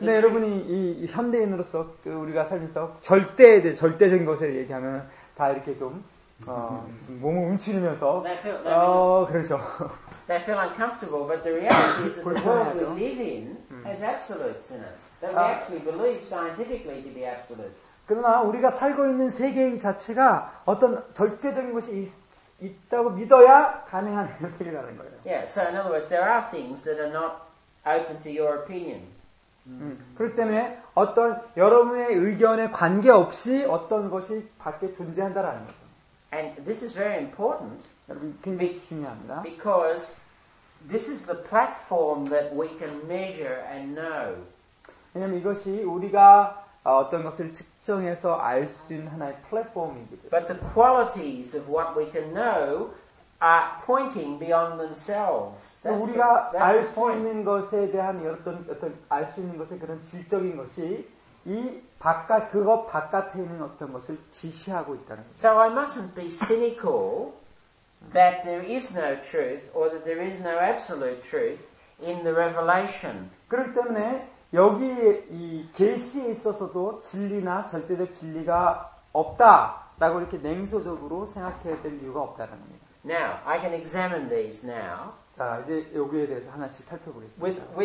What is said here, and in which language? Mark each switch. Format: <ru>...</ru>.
<ko>네, 여러분이 이 현대인으로서 그 우리가 살면서 절대에 대해 절대적인 것을 얘기하면 다 이렇게 좀 좀 몸을 움츠리면서 그렇죠.</ko> <en>They feel uncomfortable, but the reality is that the world we live in has absolutes in it. That we actually believe scientifically to be absolutes.</en> <ko>그러나 우리가 살고 있는 세계 자체가 어떤 절대적인 것이 있다고 믿어야 가능한 세계라는 거예요.</ko> <en>Yeah, so in other words, there are things that are not open to your opinion.</en> <ko>그렇기 때문에 어떤 여러분의 의견에 관계없이 어떤 것이 밖에 존재한다라는 거죠.</ko> <en>And this is very important.</en> <ko>굉장히 중요합니다.</ko> <en>Because this is the platform that we can measure and know.</en> <ko>왜냐면 이것이 우리가 어떤 것을 측정해서 알 수 있는 하나의 플랫폼입니다.</ko> <en>But the qualities of what we can know are pointing beyond themselves. That's</en> <ko>우리가 알 수 있는 것에 대한 어떤 알 수 있는 것의 그런 질적인 것이 이 바깥 그것 바깥에 있는 어떤 것을 지시하고 있다는 거죠.</ko> <en>So I mustn't be cynical that there is no truth or that there is no absolute truth in the revelation.</en> <ko>그렇기 때문에 여기 이 계시에 있어서도 진리나 절대적 진리가 없다라고 이렇게 냉소적으로 생각해야 될 이유가 없다는 겁니다.</ko> <en>Now, I can examine these now.</en> <ko>자, 이제 여기에 대해서 하나씩 살펴보겠습니다.</ko>